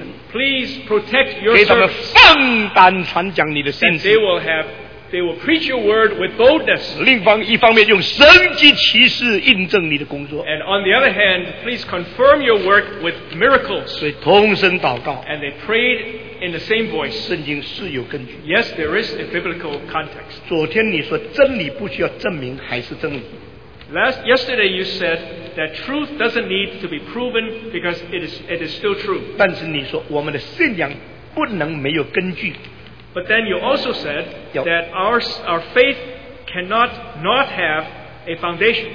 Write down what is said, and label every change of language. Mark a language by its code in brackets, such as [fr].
[en] please protect your servants, that they will preach your word with boldness. [zh] 另一方面用神迹奇事印证你的工作。 [en] And on the other hand, please confirm your work with miracles. [zh] 所以同声祷告。 [en] And they prayed in the same voice. [zh] 圣经是有根据。 [en] Yes, there is a biblical context. [zh] 昨天你说真理不需要证明还是真理。 [en] Yesterday you said that truth doesn't need to be proven because it is still true. [zh] 但是你说我们的信仰不能没有根据。 [en] But then you also said that our faith cannot not have a foundation.